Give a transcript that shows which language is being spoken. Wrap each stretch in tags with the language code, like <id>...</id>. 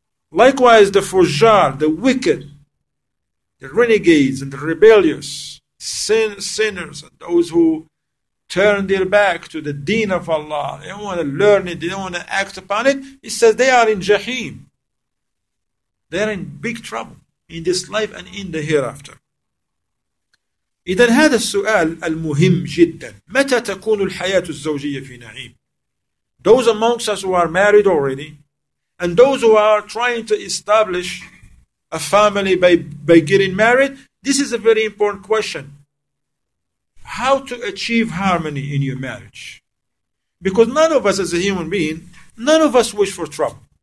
<en>Likewise, the fujjar, the wicked, the renegades and the rebellious, sinners and those who turn their back to the deen of Allah, they don't want to learn it, they don't want to act upon it, he says they are in Jahim. They're in big trouble in this life and in the hereafter.</en> <ar>إذن هذا السؤال المهم جدا. متى تكون الحياة الزوجية في نعيم?</ar> <en>Those amongst us who are married already, and those who are trying to establish a family by getting married, this is a very important question. How to achieve harmony in your marriage? Because none of us as a human being, none of us wish for trouble.</en>